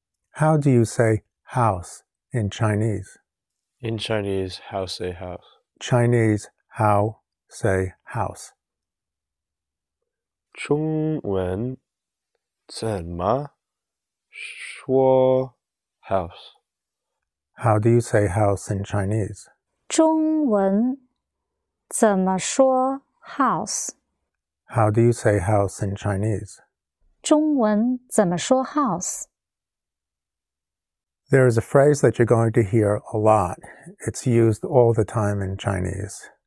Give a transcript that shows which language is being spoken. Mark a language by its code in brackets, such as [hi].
[en] How do you say house in Chinese? In Chinese, how say house? Chinese, how say house? [zh] 中文怎么说 house? [en] How do you say house in Chinese? [zh] 中文怎么说 house? [en] How do you say house in Chinese? [zh] 中文怎么说 house? [en] There is a phrase that you're going to hear a lot. It's used all the time in Chinese.